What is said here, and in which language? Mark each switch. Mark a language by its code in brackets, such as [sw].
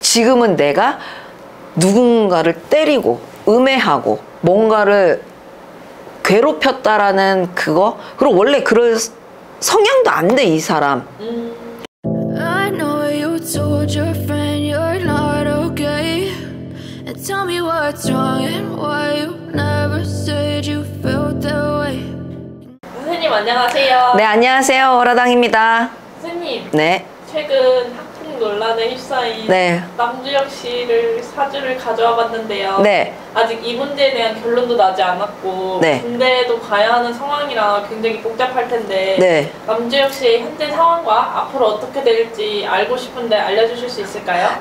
[ko] 지금은 내가 누군가를 때리고 음해하고 뭔가를 괴롭혔다라는 그거? 그리고 원래 그럴 성향도 안 돼, 이 사람. [en] I know you told your friend you're not okay. And tell me what's wrong and why you never said you felt that way. [ko] 선생님 안녕하세요. 네, 안녕하세요. 오라당입니다. 선생님. 네. 최근 학폭 논란에 휩싸인 네. 남주혁 씨를 사주를 가져와 봤는데요. 네. 아직 이 문제에 대한 결론도 나지 않았고 네. 군대에도 가야 하는 상황이라 굉장히 복잡할 텐데 네. 남주혁 씨의 현재 상황과 앞으로 어떻게 될지 알고 싶은데 알려주실 수 있을까요?